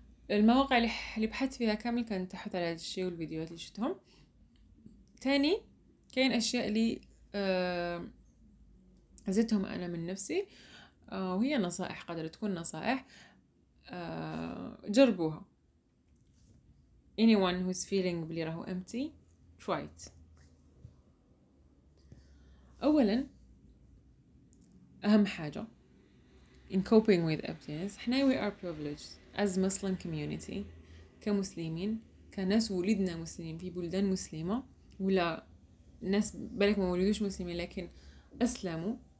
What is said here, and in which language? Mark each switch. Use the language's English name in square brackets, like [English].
[Arabic] المواقع اللي بحثت فيها كامل كانت تحت على هذا الشيء والفيديوهات اللي شفتهم. تاني كاين اشياء اللي زدتهم انا من نفسي وهي نصائح، قدر تكون نصائح جربوها. [English] anyone who's feeling [Arabic] بلي راهو [English] empty try it. [Arabic] اولا اهم حاجه [English] in coping with emptiness، [Arabic] احنا [English] we are privileged as Muslim community، [Arabic] كمسلمين، كناس ولدنا مسلمين في بلدان مسلمة، ولا ناس بالك ما ولدوش مسلمين لكن أسلموا.